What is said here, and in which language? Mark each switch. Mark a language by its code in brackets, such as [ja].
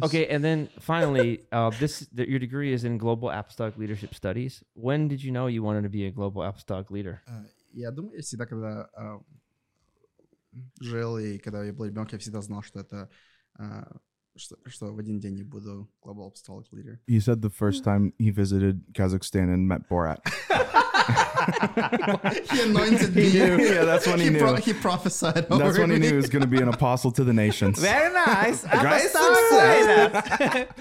[en] Okay, and then finally, your degree is in Global Apostolic Leadership Studies. When did you know you wanted to be a Global Apostolic Leader? [ru] Я думаю, всегда, когда жил и когда я был ребенком, я всегда знал, что это... Что в один день я буду [en] Global Apostolic Leader. He said the first time he visited Kazakhstan and met Borat. He anointed me. Yeah, that's when he knew. He prophesied over me. That's when he knew he was going to be an apostle to the nations. Very nice. I'm so excited.